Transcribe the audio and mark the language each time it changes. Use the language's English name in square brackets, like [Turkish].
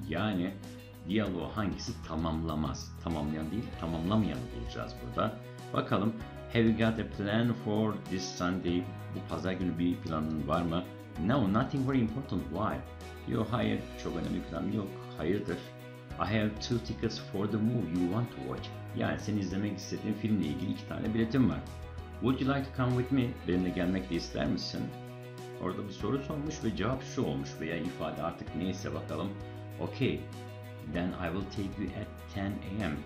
[Turkish] Yani diyaloğu hangisi tamamlamaz? Tamamlayan değil, tamamlamayanı bulacağız burada. Bakalım, [English] have you got a plan for this Sunday? [Turkish] Bu pazar günü bir planın var mı? [English] No, nothing very important. Why? [Turkish] Yo, hayır, çok önemli plan yok. Hayırdır? [English] I have two tickets for the movie you want to watch. [Turkish] Yani senin izlemek istediğin filmle ilgili iki tane biletim var. [English] Would you like to come with me? [Turkish] Benimle gelmek de ister misin? Orada bir soru sormuş ve cevap şu olmuş veya ifade artık neyse bakalım. [English] Okay, then I will take you at 10 a.m.